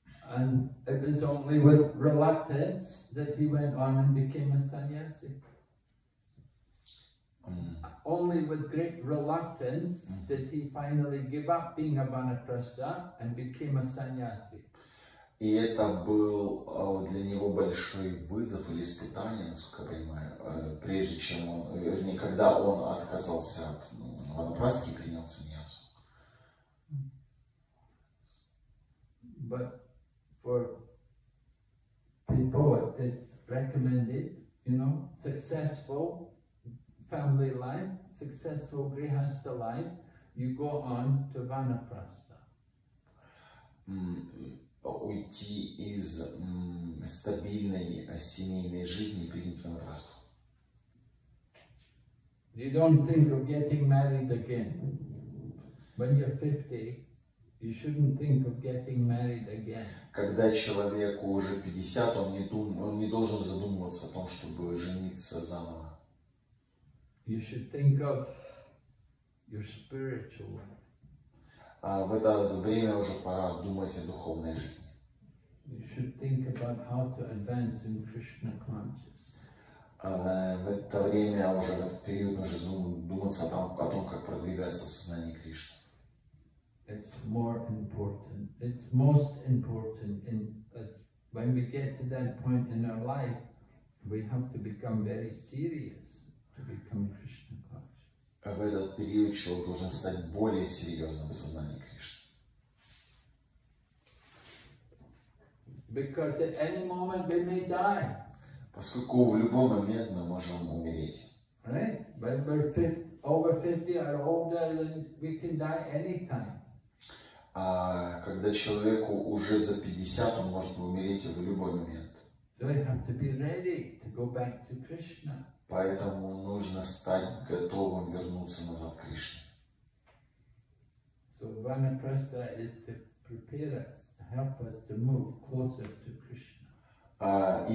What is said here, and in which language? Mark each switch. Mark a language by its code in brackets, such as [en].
[en] And it was only with reluctance that he went on and became a sannyasi. Only with great reluctance did he finally give up being a vanaprastha and became a sannyasi. [ru] И это был для него большой вызов или испытание, насколько я понимаю, прежде чем он, вернее, когда он отказался от ванапрасхи и принял саньясу. [en] But for people it's recommended, you know, successful family life, successful grihastha life, you go on to vanaprastha. [ru] Уйти из стабильной семейной жизни и принять ванапрастху. [en] You don't think of getting married again. When you're 50, you shouldn't think of getting married again. [ru] Когда человеку уже 50, он не должен задумываться о том, чтобы жениться заново. [en] You should think of your spiritual life. [ru] А в это время уже пора думать о духовной жизни. [en] You should think about how to advance in Krishna consciousness. [ru] В это время уже в этот период уже думаться там о том, как продвигаться в сознании Кришны. [en] It's more important. It's most important in that when we get to that point in our life, we have to become very serious to become Krishna conscious. [ru] В этот период человек должен стать более серьезным в сознании Кришны. [en] Because at any moment we may die. [ru] Поскольку в любой момент мы можем умереть. [en] Right? When we're 50, over 50 or older, then we can die anytime. [ru] А когда человеку уже за 50, он может умереть в любой момент. [en] So we have to be ready to go back to Krishna. [ru] Поэтому нужно стать готовым вернуться назад к Кришне. [en] So vanaprastha is to prepare us. Help us to move closer to Krishna.